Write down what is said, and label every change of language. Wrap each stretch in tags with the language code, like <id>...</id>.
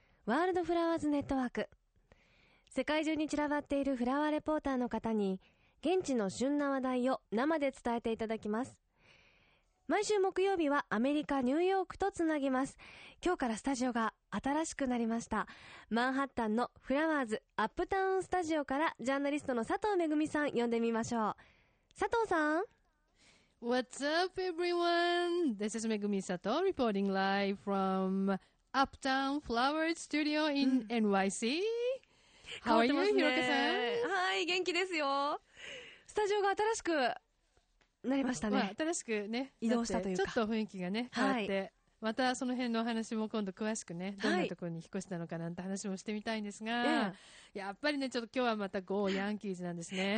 <ja>ワールドフラワーズネットワーク。世界中に散らばっているフラワーレポーターの方に現地の旬な話題を生で伝えていただきます。毎週木曜日はアメリカニューヨークとつなぎます。今日からスタジオが新しくなりました。マンハッタンのフラワーズアップタウンスタジオからジャーナリストの佐藤めぐみさん呼んでみましょう。佐藤さん。</ja> <en>What's up everyone? This is Megumi Sato reporting live from Uptown Flower Studio in NYC. How are you, Hiroka-san?</en> <ja>はい、元気ですよ。スタジオが新しくなりましたね。まあ、新しくね、移動したというか、ちょっと雰囲気がね変わって、はい、またその辺のお話も今度詳しくね、どんなところに引っ越したのかなんて話もしてみたいんですが、はい、やっぱりねちょっと今日はまたゴーヤンキーズなんですね。</ja>